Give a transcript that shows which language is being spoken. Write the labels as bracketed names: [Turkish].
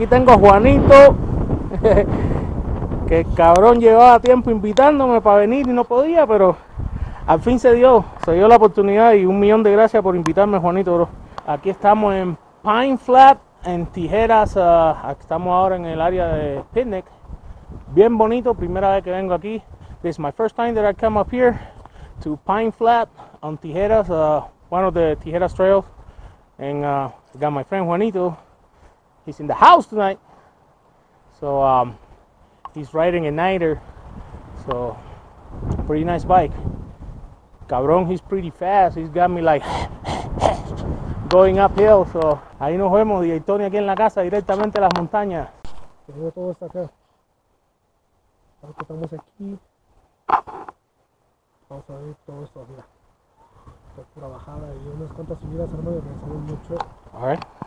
[Spanish] Aquí tengo a Juanito, que el cabrón llevaba tiempo invitándome para venir y no podía, pero al fin se dio la oportunidad y un millón de gracias por invitarme, Juanito, bro. Aquí estamos en Pine Flat, en Tijeras, estamos ahora en el área de picnic. Bien bonito, primera vez que vengo aquí. [English] This is my first time that I come up here to Pine Flat on Tijeras, one of the Tijeras trails. And I got my friend Juanito. He's in the house tonight. So he's riding a Niter. So pretty nice bike. Cabrón, he's pretty fast. He's got me like going uphill. [Spanish] So ahí nos vemos, DJ Tony, aquí en la casa, directamente a las montañas. Pero todo está acá. Ahora que estamos aquí, vamos a ver todo esto, mira. Pura bajada y unas cuantas subidas, hermano, que me salen mucho. [English] Alright.